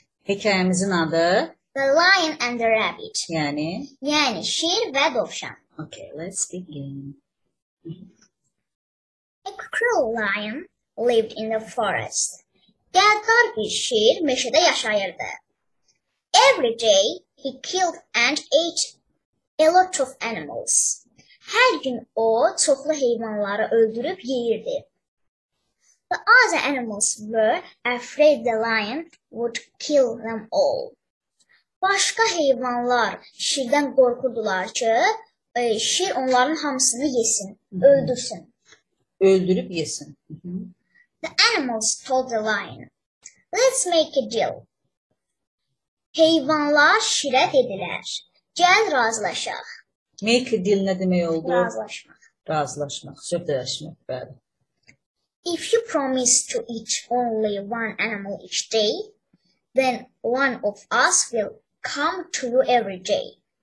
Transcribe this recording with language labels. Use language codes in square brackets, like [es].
[az] Hekayəmizin adı? [en] The Lion and the Rabbit. [az] Yəni? Yəni, şiir və dovşan. [en] Okay, let's begin. A cruel lion lived in the forest. [az] Qəddar bir şir meşədə yaşayırdı. [en] Every day he killed and ate a lot of animals. [az] Hər gün o çoxlu heyvanları öldürüb yeyirdi. [en] The other animals were afraid the lion would kill them all. [az] Başqa heyvanlar şirdən qorxurdular ki, şir onların hamısını yesin, öldürsün. Öldürüb yesin. [en] The animals told the lion, "Let's make a deal." [az] Heyvanlar şirə dedilər, "Gəl razılaşaq." [en] Make a deal [az] nə demək oldu? Razılaşmaq. Razılaşmaq, sözləşmək, bəli. [en] "If you promise to eat only one animal each day, then one of us will come to you every day."